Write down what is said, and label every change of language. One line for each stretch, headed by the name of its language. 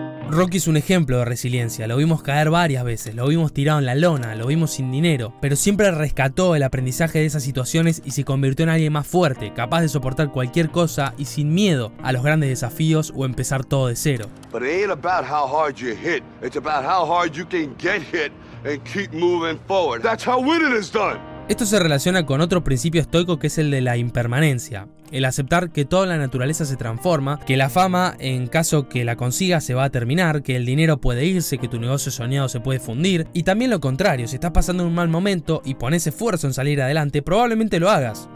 Spanish: Rocky es un ejemplo de resiliencia, lo vimos caer varias veces, lo vimos tirado en la lona, lo vimos sin dinero, pero siempre rescató el aprendizaje de esas situaciones y se convirtió en alguien más fuerte, capaz de soportar cualquier cosa y sin miedo a los grandes desafíos o empezar todo de cero.
English: But it ain't about how hard you hit, it's about how hard you can get hit and keep moving forward. That's how winning is done.
Spanish: Esto se relaciona con otro principio estoico que es el de la impermanencia. El aceptar que toda la naturaleza se transforma, que la fama, en caso que la consigas, se va a terminar, que el dinero puede irse, que tu negocio soñado se puede fundir. Y también lo contrario, si estás pasando un mal momento y pones esfuerzo en salir adelante, probablemente lo hagas.